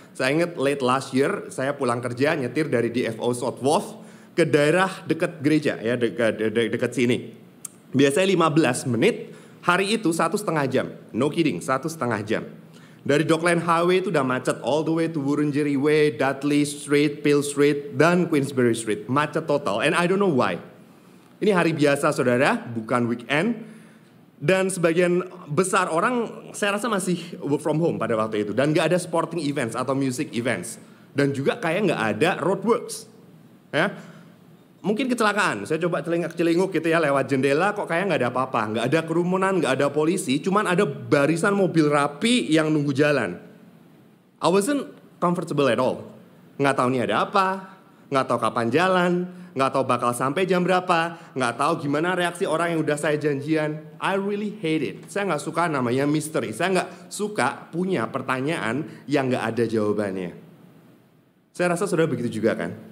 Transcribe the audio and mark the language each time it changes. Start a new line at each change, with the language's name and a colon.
Indonesian: Saya ingat
English: late last year,
Indonesian: saya pulang kerja nyetir dari DFO Southwold ke daerah dekat gereja, ya, dekat sini. Biasanya 15 menit, hari itu 1,5 jam.
English: No kidding,
Indonesian: 1,5 jam. Dari Dockland Highway itu udah macet,
English: all the way to
Indonesian: Wurundjeri Way, Dudley Street, Peel Street, dan Queensbury Street. Macet total,
English: and I don't know why.
Indonesian: Ini hari biasa, saudara, bukan weekend. Dan sebagian besar orang saya rasa masih
English: work from home
Indonesian: pada waktu itu. Dan gak ada sporting events atau music events. Dan juga kayak gak ada roadworks. Ya. Mungkin kecelakaan, saya coba celinguk-celinguk gitu ya lewat jendela, kok kayak gak ada apa-apa. Gak ada kerumunan, gak ada polisi, cuman ada barisan mobil rapi yang nunggu jalan.
English: I wasn't comfortable at all.
Indonesian: Gak tahu ini ada apa, gak tahu kapan jalan. Nggak tahu bakal sampai jam berapa, nggak tahu gimana reaksi orang yang udah saya janjian.
English: I really hate it.
Indonesian: Saya nggak suka namanya misteri. Saya nggak suka punya pertanyaan yang nggak ada jawabannya. Saya rasa sudah begitu juga kan?